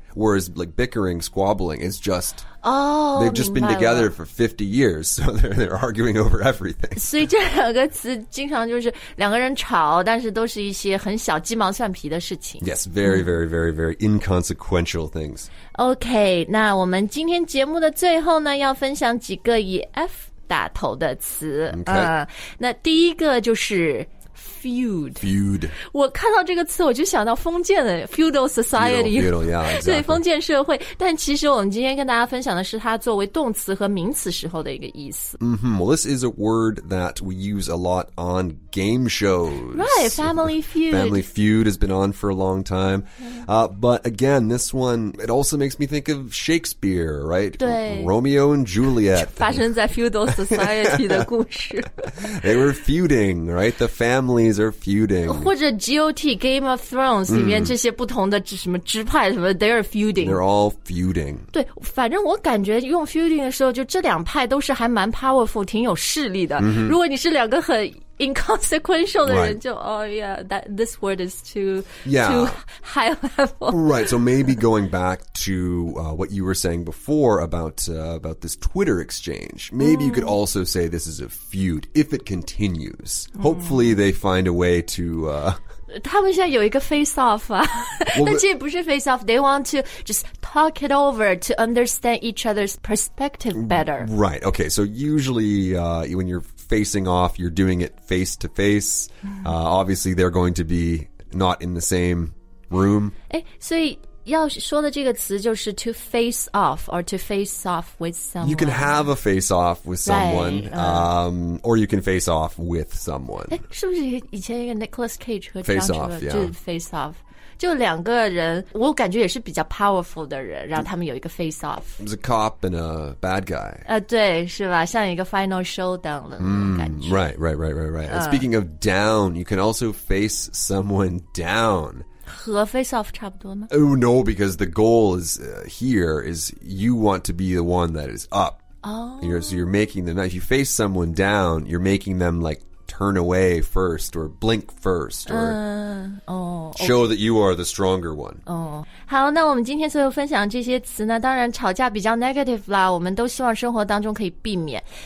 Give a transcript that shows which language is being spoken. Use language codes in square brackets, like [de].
[en] Whereas like bickering, squabbling is just, they've just been together for 50 years. So they're arguing over everything. [zh] 所以这两个词经常就是两个人吵，但是都是一些很小鸡毛蒜皮的事情。 [en] Yes, very, very, very, very inconsequential things. [zh] Okay, 那我们今天节目的最后呢，要分享几个以 F 打头的词。 [en] Okay. [zh] 那第一个就是 feud. [en] Feud. [zh] 我看到这个词我就想到封建的 feudal society. [en] Feudal, yeah, exactly. [zh] 对，封建社会。但其实我们今天跟大家分享的是它作为动词和名词时候的一个意思。 Mm-hmm. [en] Well, this is a word that we use a lot on game shows. Right, family feud. Family feud has been on for a long time. But again, this one, it also makes me think of Shakespeare, right? [zh] 对。 [en] Romeo and Juliet. [zh] 发生在 feudal society 的故事。 [en] They were feuding, right? The families are feuding. [zh] 或者 GOT, Game of Thrones, 里面这些不同的什么支派什么、mm. [en] they're feuding. They're all feuding. [zh] 对，反正我感觉用 feuding 的时候，就这两派都是还蛮 powerful, 挺有势力的。 Mm-hmm. 如果你是两个很inconsequential 的人就 [en] oh yeah, that, this word is too,、 yeah. too high level. Right, so maybe going back to、what you were saying before about this Twitter exchange, maybe、mm. you could also say this is a feud if it continues.、Mm. Hopefully they find a way to...、 [zh] 他们现在有一个 face off 啊，那其实不是 face off, [en] they want to just talk it over to understand each other's perspective better. Right, okay, so usually、when you're facing off, you're doing it face to face. Obviously, they're going to be not in the same room. [zh] 诶，所以要说的这个词就是 [en] to face off or to face off with someone. You can have a face off with someone, right, or you can face off with someone. [zh] 诶，是不是以前一个 Nicolas Cage 和 [en] face off, [zh] 就 face off, 就两个人我感觉也是比较 powerful 的人，然后他们有一个 face off. [en] It was a cop and a bad guy. [zh] 对，是吧，像一个 final showdown 的感觉。 [en] Right. Speaking of down, you can also face someone down. [zh] 和 face off 差不多吗？ [en] Oh, no, because the goal is、here is you want to be the one that is up. Oh. You're, so you're making them, if you face someone down, you're making them like turn away first or blink first or、show、okay. that you are the stronger one. Oh. [zh] 好，那我们今天所有分享这些词呢，当然吵架比较 negative 啦，我们都希望生活当中可以避免。